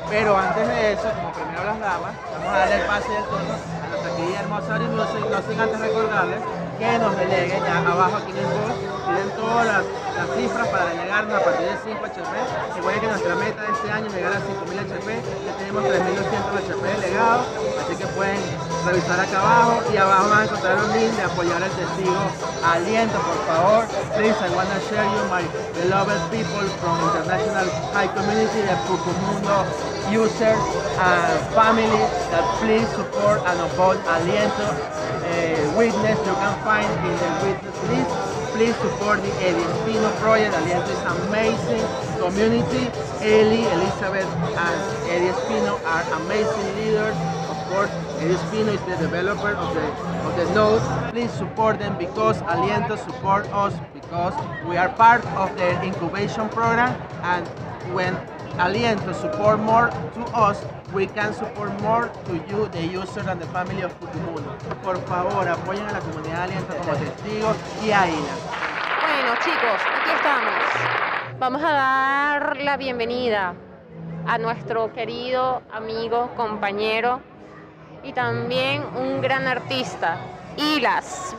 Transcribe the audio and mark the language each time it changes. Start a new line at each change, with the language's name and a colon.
Spanish: Pero antes de eso, como primero las damas, vamos a darle el pase del turno a nuestra querida hermosa Ari Music, no sin antes recordarles que nos delegue ya abajo aquí en el bol. Tienen todas las cifras para llegarnos a partir de 5 HP. Recuerden que nuestra meta de este año es llegar a 5000 HP. Ya tenemos 3200 HP delegados, así que pueden revisar acá abajo. Y abajo van a encontrar un link de apoyar al testigo. Aliento, por favor.
English: Please, I wanna share you my beloved people from International High Community, the Pucumundo user and family, that please support and uphold Aliento. Witness, you can find in the witness list. Please support the Edispino Project. Aliento is amazing community. Ellie, Elizabeth, and Edispino are amazing leaders. Of course, Edispino is the developer of the node. Please support them because Aliento support us, because we are part of the incubation program. And when Aliento support more to us, we can support more to you, the user and the family of Pucumundo.
Spanish: Por favor, apoyen a la comunidad de Aliento como testigos y a Ina. Bueno, chicos, aquí estamos. Vamos a dar la bienvenida a nuestro querido amigo, compañero y también un gran artista, Ilas.